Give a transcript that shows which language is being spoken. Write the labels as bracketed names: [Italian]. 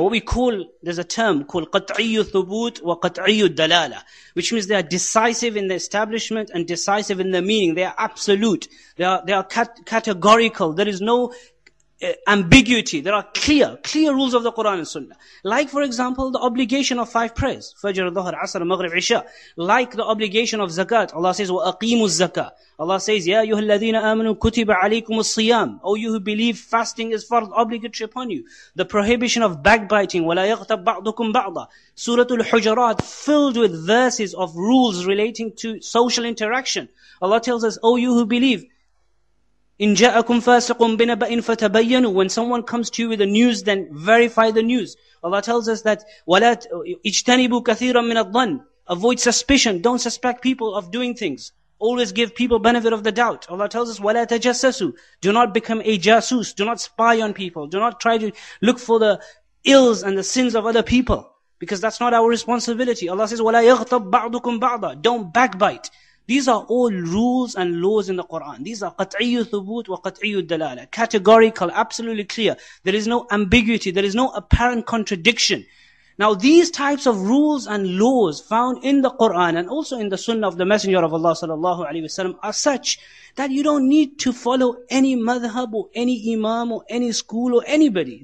[English] What we call, there's a term called [Arabic] قَطْعِيُّ ثُبُوتُ وَقَطْعِيُّ الدَّلَالَةِ, [English] which means they are decisive in the establishment and decisive in the meaning. They are absolute. They are categorical. There is no ambiguity. There are clear rules of the Quran and Sunnah. Like, for example, the obligation of five prayers. Fajr, Dhuhr, Asr, Maghrib, Isha. Like the obligation of Zakat. Allah says, [Arabic] وَأَقِيمُ الزَّكَاةِ. [English] Allah says, [Arabic] يَا أَيُّهَا الَّذِينَ آمَنُوا كُتِبَ عَلَيْكُمُ الصِّيَامُ. [English] O you who believe, fasting is fard, obligatory upon you. The prohibition of backbiting. [Arabic] وَلَا يَغْتَبْ بَعْضُكُمْ بَعْضًا. [English] Surah Al-Hujurat, filled with verses of rules relating to social interaction. Allah tells us, O you who believe, [Arabic] إِن جَاءَكُمْ فَاسِقٌ بِنَبَأٍ فَتَبَيَّنُوا. [English] When someone comes to you with the news, then verify the news. Allah tells us that, [Arabic] وَلَا اجْتَنِبُوا كَثِيرًا مِنَ الظَّنِّ. [English] Avoid suspicion. Don't suspect people of doing things. Always give people benefit of the doubt. Allah tells us, [Arabic] وَلَا تَجَسَّسُوا. [English] Do not become a jasus. Do not spy on people. Do not try to look for the ills and the sins of other people. Because that's not our responsibility. Allah says, [Arabic] وَلَا يَغْتَبْ بَعْضُكُمْ بَعْضًا. [English] Don't backbite. These are all rules and laws in the Quran. These are [Arabic] قَطْعِيُّ ثُبُوتُ وَقَطْعِيُّ الدَّلَالَةِ. [English] Categorical, absolutely clear. There is no ambiguity. There is no apparent contradiction. Now these types of rules and laws found in the Quran and also in the Sunnah of the Messenger of Allah sallallahu alaihi wasallam are such that you don't need to follow any madhab or any imam or any school or anybody.